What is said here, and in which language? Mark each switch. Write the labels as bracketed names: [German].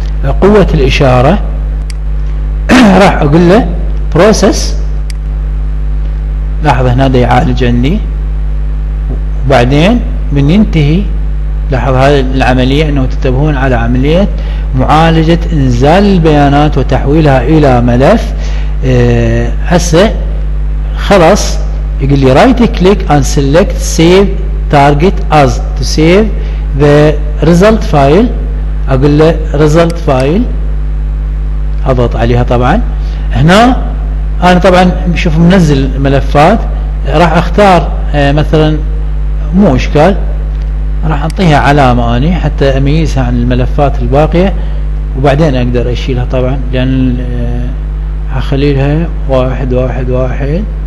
[Arabic] قوة الإشارة راح أقول له process. لاحظ هنا ده يعالج عندي، وبعدين من ينتهي لاحظ هذه العملية أنه تتبهون على عملية معالجة إنزال البيانات وتحويلها إلى ملف. هسه خلاص يقول لي [English] right click and select save target as to save the result file. [Arabic] أقول له result file، أضغط عليها. طبعا هنا أنا طبعا شوف منزل ملفات، راح أختار مثلا مو إشكال، راح أعطيها علامة أنا حتى أميزها عن الملفات الباقية، وبعدين أقدر أشيلها طبعا، لأن هخليلها واحد واحد واحد.